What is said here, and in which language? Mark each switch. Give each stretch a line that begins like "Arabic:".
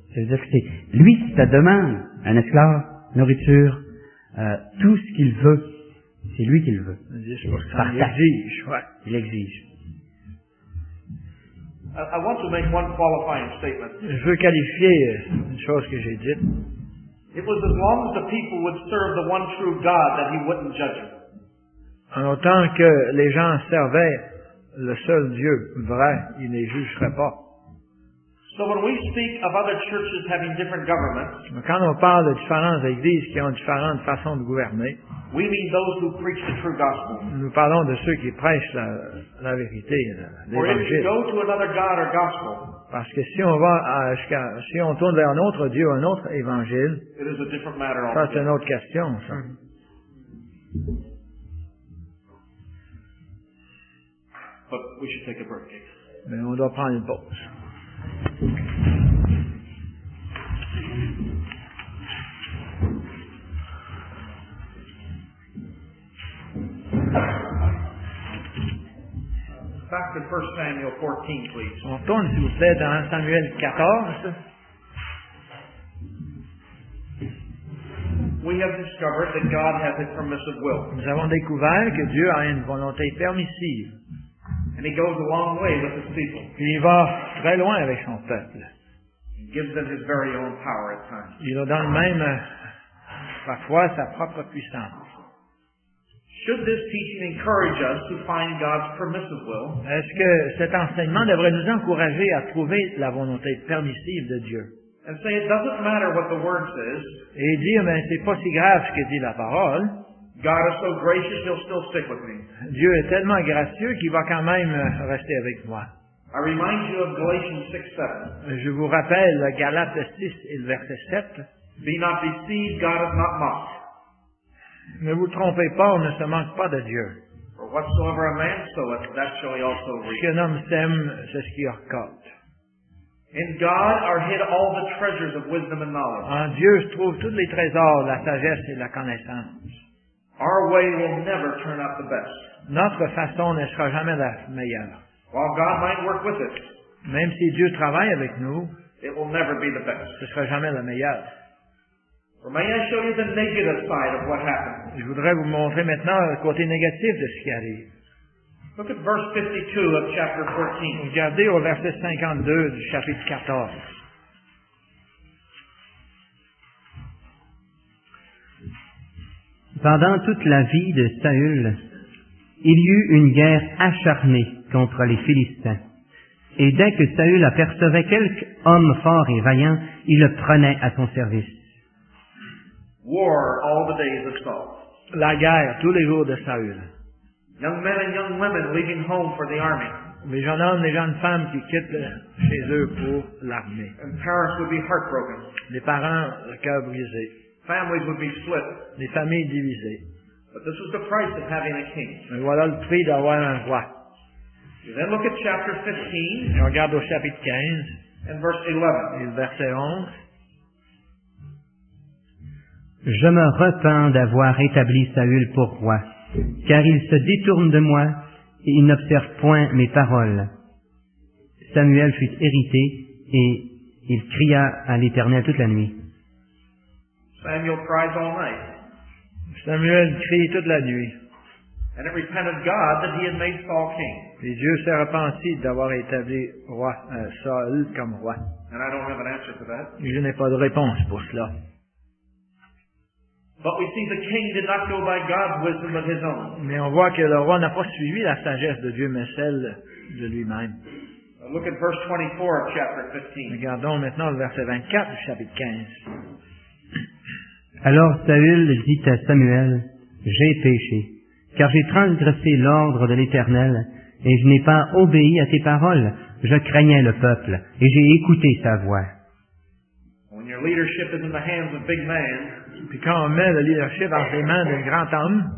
French: C'est-à-dire que c'est lui qui te demande un esclave, nourriture, tout ce qu'il veut. C'est lui qui le veut. Il exige.
English: I want to make one qualifying statement.
French: Je veux qualifier une chose que j'ai dite.
English: It was as long as the people would serve the one true God that he wouldn't judge them.
French: En autant que les gens servaient le seul Dieu vrai, il ne les jugerait pas.
English: So when we speak of other churches having different governments,
French: quand on parle de différentes églises qui ont différentes façons de gouverner,
English: we mean those who preach the true gospel.
French: Nous parlons de ceux qui prêchent la vérité, l'évangile.
English: Or if you go to another God or gospel,
French: parce que si on va si on tourne vers un autre Dieu, un autre évangile,
English: it is a different matter
French: ça, c'est une autre question. Ça.
English: But we should take a break.
French: Mais on doit prendre une pause.
English: Back to 1 Samuel 14, please.
French: On tourne, s'il vous plaît, dans 1 Samuel 14.
English: We have discovered that God has a permissive will.
French: Nous avons découvert que Dieu a une volonté permissive.
English: And he goes a long way with his people.
French: Il va très loin avec son peuple.
English: He gives them his very own power at times.
French: Il leur donne même parfois sa propre puissance.
English: Should this teaching encourage us to find God's permissive will?
French: Est-ce que cet enseignement devrait nous encourager à trouver la volonté permissive de Dieu?
English: And say it doesn't matter what the word says.
French: Et dire, mais c'est pas si grave ce que dit la parole.
English: God is so gracious, he'll still stick with me.
French: Dieu est tellement gracieux qu'il va quand même rester avec moi.
English: I remind you of Galatians 6:7.
French: Je vous rappelle Galates 6 et le verset 7.
English: Be not deceived, God is not mocked.
French: Ne vous trompez pas, on ne se moque pas de Dieu.
English: For whatsoever a man soweth, that shall he also reap.
French: Ce qu'un homme sème, c'est ce qu'il récolte.
English: In God are hid all the treasures of wisdom and knowledge.
French: En Dieu se trouvent tous les trésors, la sagesse et la connaissance.
English: Our way will never turn out the best.
French: Notre façon ne sera jamais la meilleure.
English: While God might work with us,
French: même si Dieu travaille avec nous,
English: it will never be the best.
French: Ce sera jamais la meilleure.
English: Or may I show you the negative side of what happened?
French: Je voudrais vous montrer maintenant le côté négatif de ce qui arrive.
English: Look at verse 52 of chapter 14.
French: Regardez au verset 52 du chapitre 14. Pendant toute la vie de Saül, il y eut une guerre acharnée contre les Philistins. Et dès que Saül apercevait quelque homme fort et vaillant, il le prenait à son service.
English: War all the days of Saul.
French: La guerre tous les jours de Saül.
English: Young men and young women leaving home for the army.
French: Les jeunes hommes et les jeunes femmes qui quittent chez eux pour l'armée.
English: And parents would be heartbroken.
French: Les parents, le cœur brisé.
English: Families would be split.
French: Les familles divisées.
English: But this was the price of having a king.
French: Mais voilà le prix d'avoir un roi.
English: You then look at chapter 15.
French: Et on regarde au chapitre 15.
English: And verse 11.
French: Et le verset 11. Je me repens d'avoir établi Saül pour roi. Car il se détourne de moi et il n'observe point mes paroles. Samuel fut irrité et il cria à l'Éternel toute la nuit.
English: Samuel cries all night.
French: Samuel crie toute la nuit.
English: And it repented God that he had made Saul king.
French: Et Dieu s'est repenti d'avoir établi roi, Saul comme roi.
English: And I don't have an answer for that.
French: Je n'ai pas de réponse pour cela.
English: But we see the king did not go by God's wisdom but his own.
French: Mais on voit que le roi n'a pas suivi la sagesse de Dieu, mais celle de lui-même.
English: Look at verse 24 of chapter 15.
French: Regardons maintenant le verset 24 du chapitre 15. Alors Saül dit à Samuel, « J'ai péché, car j'ai transgressé l'ordre de l'Éternel, et je n'ai pas obéi à tes paroles. Je craignais le peuple, et j'ai écouté sa voix. »
English: When your leadership is in the hands of big man,
French: puis quand on met le leadership dans les mains d'un grand homme,